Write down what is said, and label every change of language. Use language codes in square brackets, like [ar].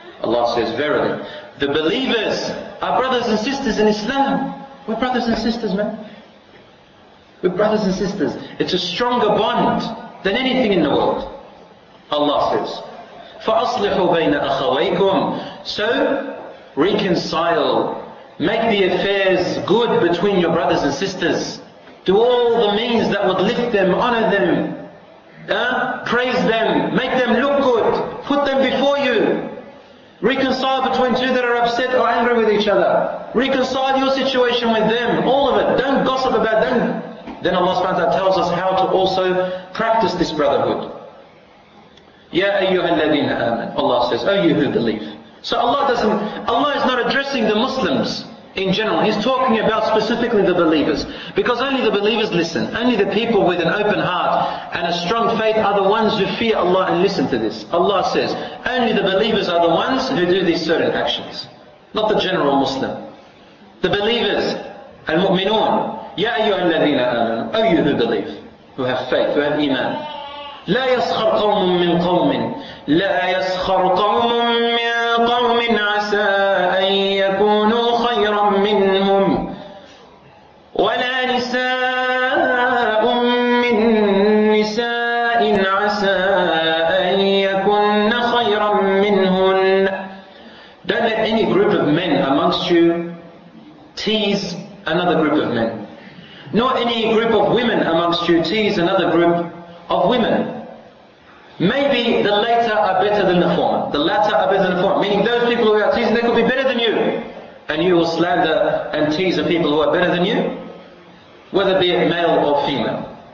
[en] Allah says, verily, the believers are brothers and sisters in Islam. We're brothers and sisters, man. We're brothers and sisters. It's a stronger bond than anything in the world. Allah says, [ar] فَأَصْلِحُوا بَيْنَ أَخَوَيْكُمْ. [en] So, reconcile. Make the affairs good between your brothers and sisters. Do all the means that would lift them, honor them, praise them, make them look good, put them before you. Reconcile between two that are upset or angry with each other. Reconcile your situation with them, all of it. Don't gossip about them. Then Allah subhanahu wa ta'ala tells us how to also practice this brotherhood. Ya ayyuha alladhina amanu, Allah says, O you who believe. So Allah is not addressing the Muslims in general. He's talking about specifically the believers. Because only the believers listen. Only the people with an open heart and a strong faith are the ones who fear Allah and listen to this. Allah says, only the believers are the ones who do these certain actions. Not the general Muslim. The believers, al-mu'minun, Ya ayyuha alladhina amanu, O you who believe, who have faith, who have iman. [ar] لا يسخر قوم من قوم لا يسخر قوم من قوم عسى أن يكونوا خيرا منهم ولا نساء من نساء عسى أن يكون خيرا منهن. [en] Don't let any group of men amongst you tease another group of men, nor any group of women amongst you tease another group of women. Maybe the latter are better than the former. The latter are better than the former. Meaning those people who are teasing, they could be better than you. And you will slander and tease the people who are better than you, whether be it male or female.